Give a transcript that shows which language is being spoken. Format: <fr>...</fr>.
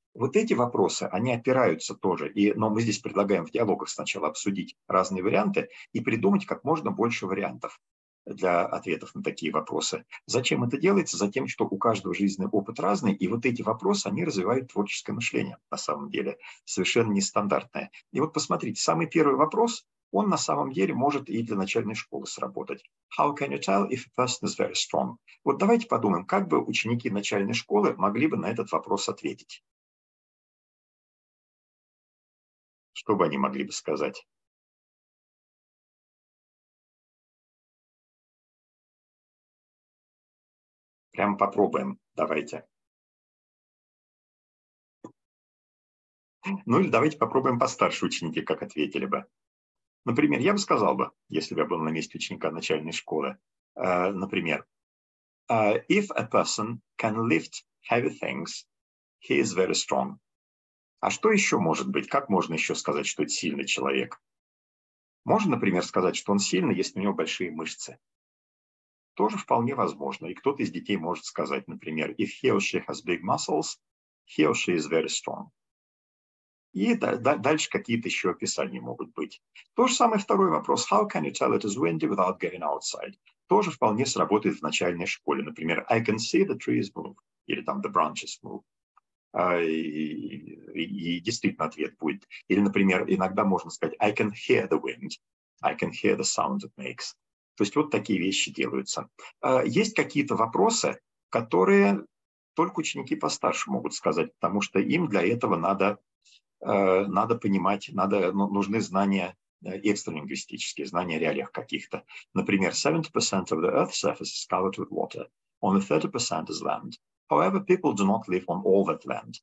<ru>Вот эти вопросы, они опираются тоже, но мы здесь предлагаем в диалогах сначала обсудить разные варианты и придумать как можно больше вариантов для ответов на такие вопросы. Зачем это делается? Затем, что у каждого жизненный опыт разный, и вот эти вопросы, они развивают творческое мышление, на самом деле, совершенно нестандартное. И вот посмотрите, самый первый вопрос, он на самом деле может и для начальной школы сработать.</ru> <en>How can you tell if a person is very strong?</en> <ru>Вот давайте подумаем, как бы ученики начальной школы могли бы на этот вопрос ответить? Что бы они могли бы сказать? Прям попробуем, давайте. Ну или давайте попробуем постарше ученики, как ответили бы. Например, я бы сказал бы, если бы я был на месте ученика начальной школы, например,</ru> <en>if a person can lift heavy things, he is very strong.</en> <ru>А что еще может быть? Как можно еще сказать, что это сильный человек? Можно, например, сказать, что он сильный, если у него большие мышцы? Тоже вполне возможно. И кто-то из детей может сказать, например,</ru> <en>if he or she has big muscles, he or she is very strong.</en> <ru>И дальше какие-то еще описания могут быть. То же самое второй вопрос.</ru> <en>How can you tell it is windy without going outside?</en> <ru>Тоже вполне сработает в начальной школе. Например,</ru> <en>I can see the trees move.</en> <ru>Или там</ru> <en>the branches move.</en> <ru>И действительно ответ будет. Или, например, иногда можно сказать,</ru> <en>I can hear the wind. I can hear the sound it makes.</en> <ru>То есть вот такие вещи делаются. Есть какие-то вопросы, которые только ученики постарше могут сказать, потому что им для этого надо понимать, нужны знания экстралингвистические, знания о реалиях каких-то. Например,</ru> <en>70% of the Earth's surface is covered with water. Only 30% is land. However, people do not live on all that land.</en>